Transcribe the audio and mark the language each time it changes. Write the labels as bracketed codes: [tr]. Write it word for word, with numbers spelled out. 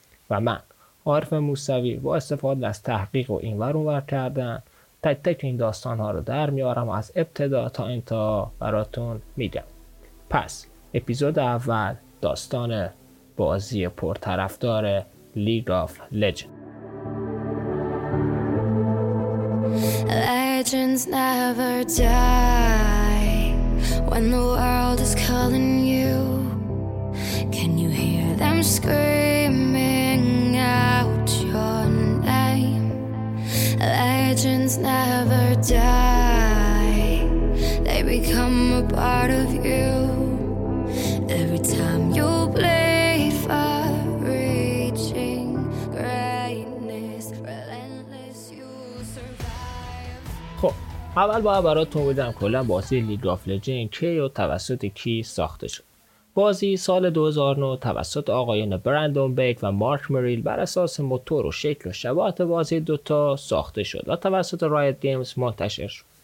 [fa] و من عارف موسوی با استفاده از تحقیق و اینور اونور کردن تک تک این داستان ها رو در میارم و از ابتدا تا انتها براتون میگم. پس اپیزود اول، داستان بازی پرطرفدار لیگ آف لجند. [en] Legends never die when the world is calling you. Can you hear them screaming out your name? Legends never die. They become a part of you. Every time you play for reaching greatness, relentless you survive. [fa] خب اول باید براتون بگم کلا بازی لیگ آف لجند کی و توسط کی ساخته شد. بازی سال دو هزار و نه توسط آقایان برندون بیک و مارک مریل بر اساس موتور و شکل و شباهت بازی دوتا ساخته شد و توسط رایت گیمز منتشر شد.